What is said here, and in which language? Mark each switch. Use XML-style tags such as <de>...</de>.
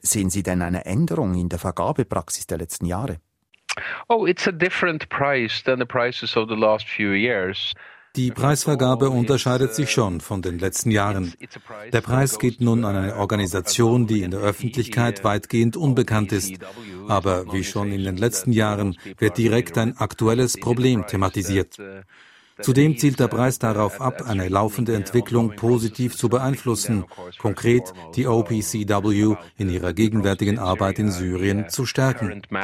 <de>Sehen Sie denn eine Änderung in der Vergabepraxis der letzten Jahre?</de> <en>Oh, it's a different price than the prices of the last few years.</en> <de>Die Preisvergabe unterscheidet sich schon von den letzten Jahren. Der Preis geht nun an eine Organisation, die in der Öffentlichkeit weitgehend unbekannt ist. Aber wie schon in den letzten Jahren wird direkt ein aktuelles Problem thematisiert. Zudem zielt der Preis darauf ab, eine laufende Entwicklung positiv zu beeinflussen, konkret die OPCW in ihrer gegenwärtigen Arbeit in Syrien zu stärken.</de>